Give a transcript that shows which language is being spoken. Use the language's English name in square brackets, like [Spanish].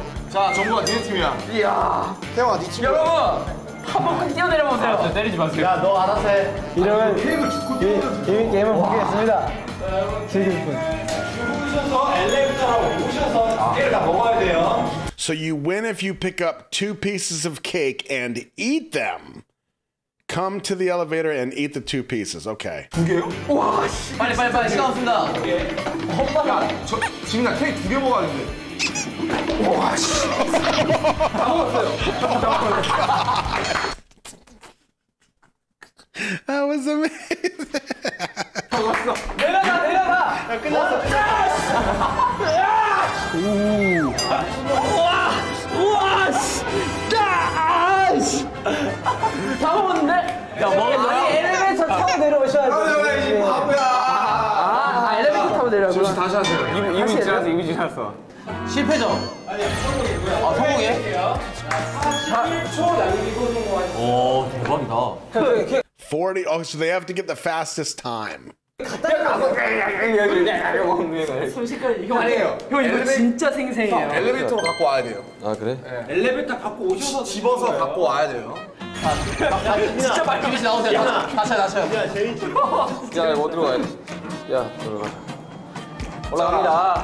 [Korean] 자, 정국아, 니네 팀이야. 이야. 태영아, 니 팀. 여러분, 한번 꼭 뛰어내려 보세요. 아, 내리지 마세요. 야, 너 알아서 해. 이러면 이미 게임을 보겠습니다. 여러분, 주무셔서 엘리베이터로 오셔서 쿠키를 다 먹어야 돼요. [English] So you win if you pick up 2 pieces of cake and eat them. Come to the elevator and eat the 2 pieces, okay. [Korean] 두 개요? 와, 씨. 빨리, 시간 없습니다. 오케이. 헛바가. 저, 지민아, 케이크 두 개 먹어야 돼. 와, 씨. 다 먹었어요. 다 먹었어요. [English] That was amazing. [Korean] 다 먹었어. 내려가, 야, 끝났어. 야, 씨. 야, 씨. 오. 와, 와, 씨. 야, 씨. 다 먹었는데? 야, 먹었나요? 아니, 엘리베이터 타고 내려오셔야죠. 아, 내가 이제 바쁘야. 아, 엘리베이터 타고 내려오고. 지금 다시 하세요. 2분 지났어, 2분 지났어. 실패죠? 아니, 성공이고요. 아, 성공해? 41초 남기고 성공하시죠. 오, 대박이다. [English] 40, oh, so they have to get the fastest time. [Korean] 갔다 갔다 갔다 갔다 갔다 아니에요. 형 이거 진짜 생생해요. 엘리베이터 갖고 와야 돼요. 아, 그래? 엘리베이터 갖고 오셔서 집어서 갖고 와야 돼요. 아, 진짜 말끔히 나오세요. 다 차요. 야, 제이지. 야, 뭐 들어가야 돼. 야, 들어가. 올라갑니다.